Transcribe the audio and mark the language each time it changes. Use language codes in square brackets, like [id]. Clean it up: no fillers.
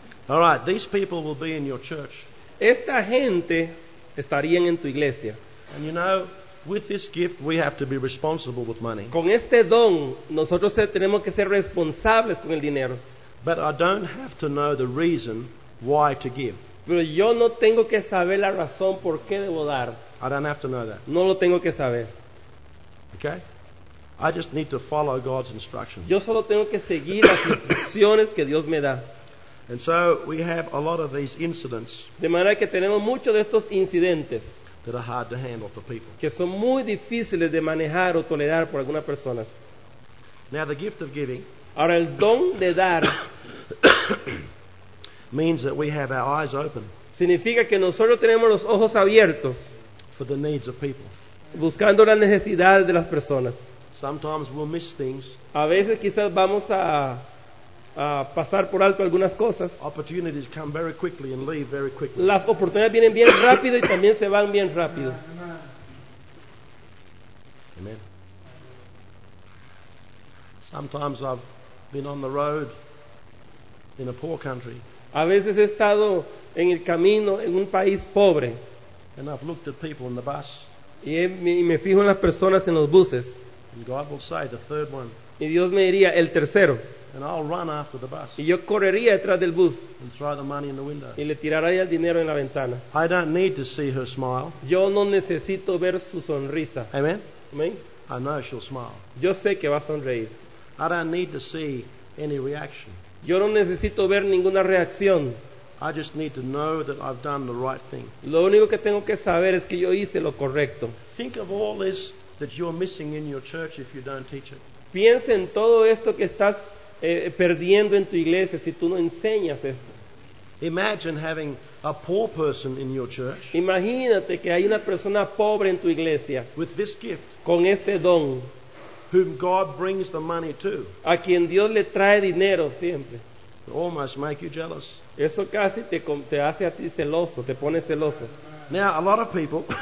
[en] All right, these people will be in your church. [es] Esta gente estarían en tu iglesia. [en] And you know, with this gift, we have to be responsible with money. [es] Con este don, nosotros tenemos que ser responsables con el dinero. [en] But I don't have to know the reason why to give. [es] Pero yo no tengo que saber la razón por qué debo dar. [en] I don't have to know that. [es] No lo tengo que saber. [en] Okay? I just need to follow God's instructions. [es] Yo solo tengo que seguir las instrucciones que Dios me da. [en] And so we have a lot of these incidents. [es] De manera que tenemos muchos de estos incidentes. [en] That are hard to handle for people. [es] Que son muy difíciles de manejar o tolerar por algunas personas. [en] Now the gift of giving. [es] Ahora el don de dar. [en] Means that we have our eyes open. [es] Significa que nosotros tenemos los ojos abiertos. [en] For the needs of people. [es] Buscando las necesidades de las personas. [en] Sometimes we'll miss things. [es] A veces quizás vamos a pasar por alto algunas cosas. [en] Opportunities come very quickly and leave very quickly. [es] Las oportunidades vienen bien rápido y también se van bien rápido. [en] Amen. Sometimes I've been on the road in a poor country. [es] A veces he estado en el camino en un país pobre. [en] And I've looked at people in the bus. [es] Y me fijo en las personas en los buses. [en] And God will say the third one. [es] Y Dios me diría el tercero. [en] And I'll run after the bus. [es] Y yo correría detrás del bus. [en] And throw the money in the window. [es] Y le tiraría el dinero en la ventana. [en] I don't need to see her smile. [es] Yo no necesito ver su sonrisa. [en] Amen. Amen. I know she'll smile. [es] Yo sé que va a sonreír. [en] I don't need to see any reaction. [es] Yo no necesito ver ninguna reacción. [en] I just need to know that I've done the right thing. [es] Lo único que tengo que saber es que yo hice lo correcto. [en] Think of all this that you're missing in your church if you don't teach it. [es] Piensa en todo esto que estás perdiendo en tu iglesia si tú no enseñas esto. [en] Imagine having a poor person in your church. [es] Imagínate que hay una persona pobre en tu iglesia. [en] With this gift. [es] Con este don. [en] Whom God brings the money to. [es] A quien Dios le trae dinero siempre. [en] Almost make you jealous. [es] Eso casi te hace a ti celoso, te pone celoso. [en] Now a lot of people.